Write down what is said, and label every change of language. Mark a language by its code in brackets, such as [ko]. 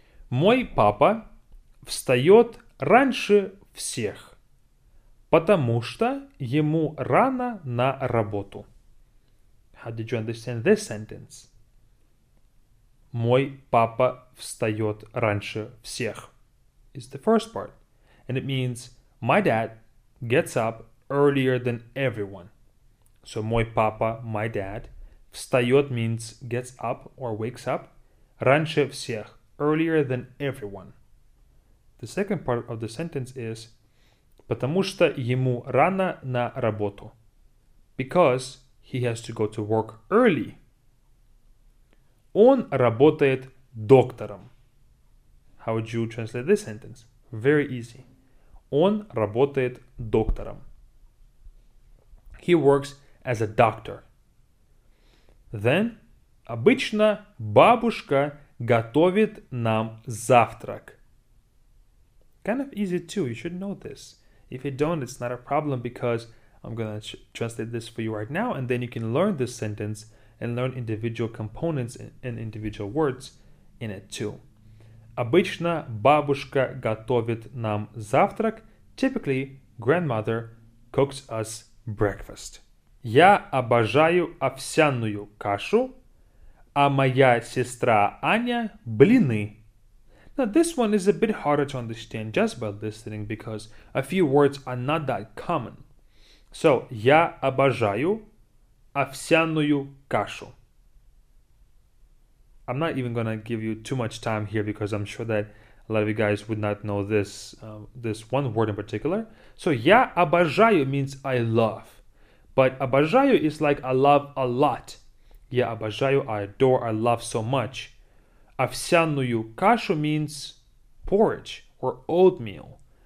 [ru] Мой папа встает раньше всех, потому что ему рано на работу. [en] How did you understand this sentence? [ru] Мой папа встает раньше всех. [en] Is the first part. And it means my dad gets up earlier than everyone. So [ru] мой папа, [en] my dad. [ru] Встает [en] means gets up or wakes up. [ru] Раньше всех, [en] earlier than everyone. The second part of the sentence is [ru] потому что ему рано на работу. [en] Because he has to go to work early. [ru] Он работает доктором. [en] How would you translate this sentence? Very easy. [ru] Он работает доктором. [en] He works as a doctor. [ru] Then, обычно бабушка готовит нам завтрак. [en] Kind of easy too. You should know this. If you don't, it's not a problem because I'm going to translate this for you right now. And then you can learn this sentence and learn individual components and individual words in it too. [ru] Обычно бабушка готовит нам завтрак. [en] Typically, grandmother cooks us breakfast. [ru] Я обожаю овсяную кашу, а моя сестра Аня – блины. [en] Now, this one is a bit harder to understand just by listening because a few words are not that common. [ru] So, я обожаю овсяную кашу. [en] I'm not even going to give you too much time here because I'm sure that a lot of you guys would not know this this one word in particular. So, [ru] я обожаю [en] means I love. But [ru] обожаю [en] is like I love a lot. [ru] Я обожаю, [en] I adore, I love so much. [ru] Овсяную кашу [en] means porridge or oatmeal.